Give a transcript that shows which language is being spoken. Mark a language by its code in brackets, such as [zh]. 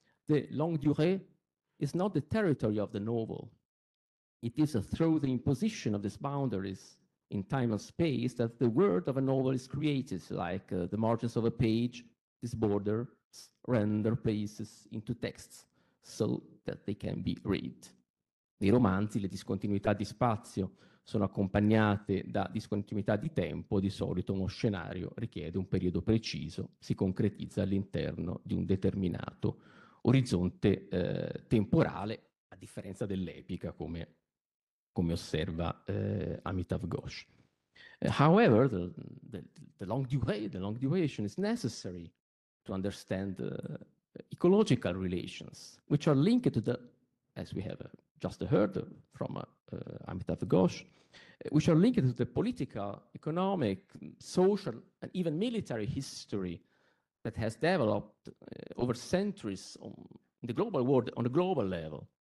[en] The longue durée is not the territory of the novel. It is through the imposition of these boundaries in time and space that the world of a novel is created, like the margins of a page, this border, render places into texts so that they can be read. [it] Nei romanzi le discontinuità di spazio sono accompagnate da discontinuità di tempo. Di solito uno scenario richiede un periodo preciso, si concretizza all'interno di un determinato orizzonte temporale, a differenza dell'epica, come osserva Amitav Ghosh. [en] However, the long duration is necessary to understand ecological relations, which are linked to the, as we have just heard from Amitav Ghosh, which are linked to the political, economic, social, and even military history that has developed over centuries on the global world, on a global level.